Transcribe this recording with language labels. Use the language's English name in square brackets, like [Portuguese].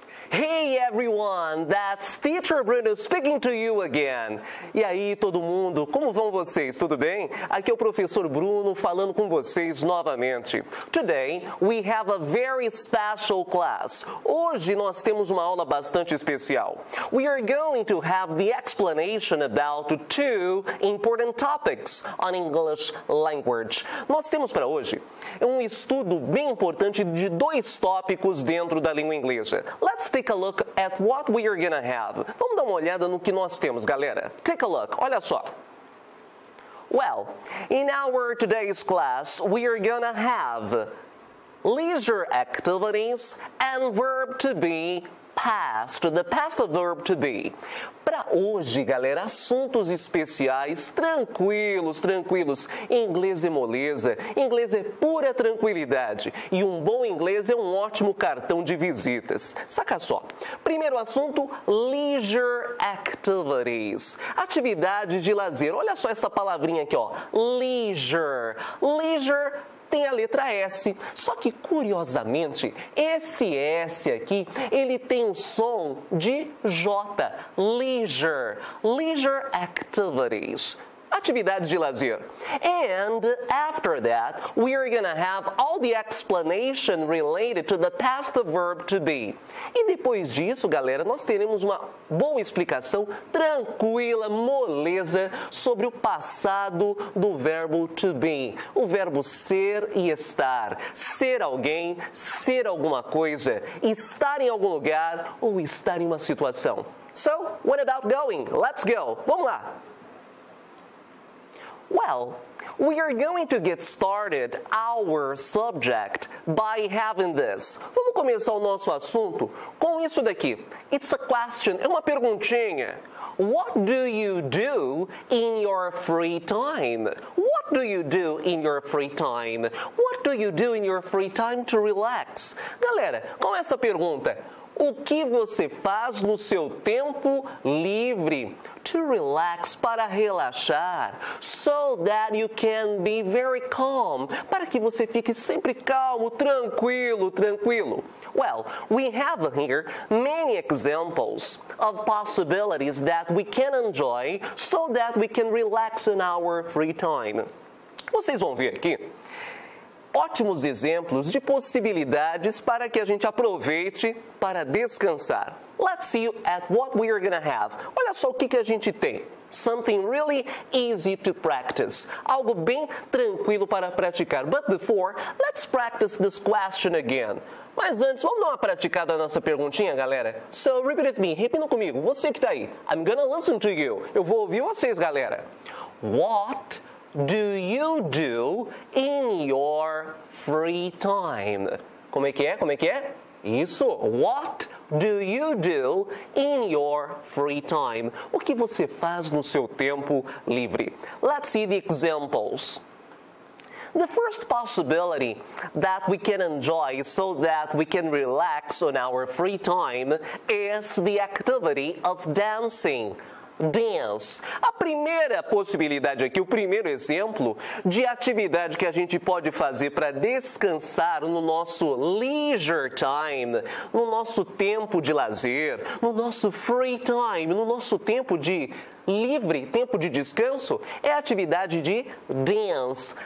[English] Hey everyone, that's Teacher Bruno speaking to you again. [Portuguese] E aí, todo mundo, como vão vocês? Tudo bem? Aqui é o professor Bruno falando com vocês novamente. [English] Today, we have a very special class. [Portuguese] Hoje nós temos uma aula bastante especial. [English] We are going to have the explanation about two important topics on English language. [Portuguese] Nós temos para hoje um estudo bem importante de dois tópicos dentro da língua inglesa. [English] Let's take a look at what we are going to have. [Portuguese] Vamos dar uma olhada no que nós temos, galera. [English] Take a look. [Portuguese] Olha só. [English] Well, in our today's class, we are going to have leisure activities and verb to be past, the past of verb to be. [Portuguese] Para hoje, galera, assuntos especiais, tranquilos, tranquilos. Inglês é moleza, inglês é pura tranquilidade. E um bom inglês é um ótimo cartão de visitas. Saca só. Primeiro assunto, leisure activities. Atividades de lazer. Olha só essa palavrinha aqui, ó. Leisure. Leisure tem a letra S, só que curiosamente, esse S aqui, ele tem o som de J, leisure, leisure activities, atividades de lazer. [English] And after that, we are going to have all the explanation related to the past verb to be. [Portuguese] E depois disso, galera, nós teremos uma boa explicação, tranquila, moleza, sobre o passado do verbo to be. O verbo ser e estar. Ser alguém, ser alguma coisa, estar em algum lugar ou estar em uma situação. [English] So, what about going? Let's go. [Portuguese] Vamos lá. [English] Well, we are going to get started our subject by having this. [Portuguese] Vamos começar o nosso assunto com isso daqui. [English] It's a question, [Portuguese] é uma perguntinha. [English] What do you do in your free time? What do you do in your free time? What do you do in your free time to relax? [Portuguese] Galera, com essa pergunta, o que você faz no seu tempo livre? [English] To relax, [Portuguese] para relaxar, [English] so that you can be very calm, [Portuguese] para que você fique sempre calmo, tranquilo, tranquilo. [English] Well, we have here many examples of possibilities that we can enjoy so that we can relax in our free time. [Portuguese] Vocês vão ver aqui ótimos exemplos de possibilidades para que a gente aproveite para descansar. [English] Let's see at what we are going to have. [Portuguese] Olha só o que a gente tem. [English] Something really easy to practice. [Portuguese] Algo bem tranquilo para praticar. [English] But before, let's practice this question again. [Portuguese] Mas antes, vamos dar uma praticada na nossa perguntinha, galera? [English] So, repeat with me. [Portuguese] Repita comigo. Você que está aí. [English] I'm going to listen to you. [Portuguese] Eu vou ouvir vocês, galera. [English] What do you do in your free time? [Portuguese] Como é que é? Como é que é? Isso. [English] What do you do in your free time? [Portuguese] O que você faz no seu tempo livre? [English] Let's see the examples. The first possibility that we can enjoy so that we can relax on our free time is the activity of dancing. Dance. [Portuguese] A primeira possibilidade aqui, o primeiro exemplo de atividade que a gente pode fazer para descansar no nosso leisure time, no nosso tempo de lazer, no nosso free time, no nosso tempo de livre, tempo de descanso, é a atividade de dance.